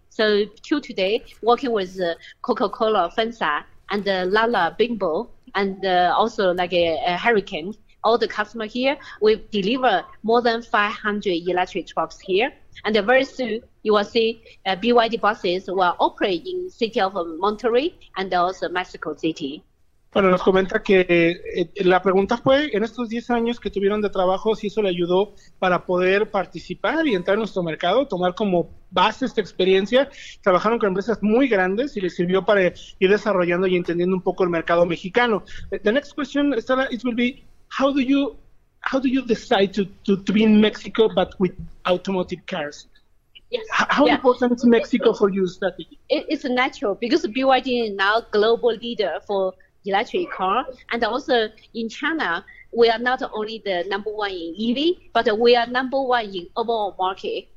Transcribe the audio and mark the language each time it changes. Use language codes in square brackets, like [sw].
[en] So till today, working with Coca-Cola, Fensa, and Lala, Bimbo, and also like a Hurricane, all the customer here, we deliver more than 500 electric trucks here. And very soon, you will see BYD buses will operate in city of Monterrey and also Mexico City. [es] Bueno, nos comenta que la pregunta fue, en estos 10 años que tuvieron de trabajo, si eso le ayudó para poder participar y entrar en nuestro mercado, tomar como base esta experiencia. Trabajaron con empresas muy grandes y les sirvió para ir desarrollando y entendiendo un poco el mercado mexicano. [en] The next question, Stella, it will be, How do you decide to be in Mexico but with automotive cars? Yes. How important is Mexico for you, strategy? It's natural because BYD is now global leader for electric car, and also in China we are not only the number one in EV, but we are number one in overall market.